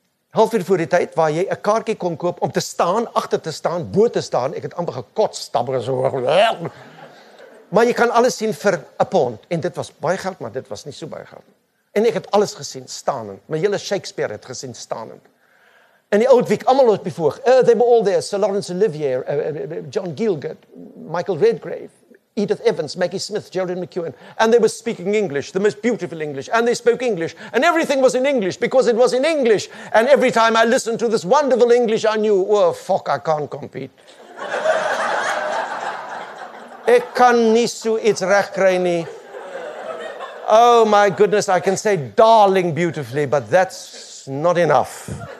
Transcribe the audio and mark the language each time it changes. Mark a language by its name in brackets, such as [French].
[Afrikaans] half uur voor die tyd, waar jy 'n kaartjie kon koop om te staan, achter te staan, bo te staan, ek het amper gekots, stabber, so, maar jy kan alles sien vir 'n pond. En dit was baie geld, maar dit was nie so baie geld. En ek het alles gesien, staanend. My hele Shakespeare het gesien, staanend. In die Old Vic, allemaal op die voog. [English] They were all there. Sir Laurence Olivier, John Gielgud, Michael Redgrave, Edith Evans, Maggie Smith, Geraldine McEwan. And they were speaking English, the most beautiful English. And they spoke English. And everything was in English, because it was in English. And every time I listened to this wonderful English, I knew, oh, fuck, I can't compete. [Afrikaans] Ek kan nie so iets reg kry nie. [English] Oh my goodness, I can say darling beautifully, but that's not enough.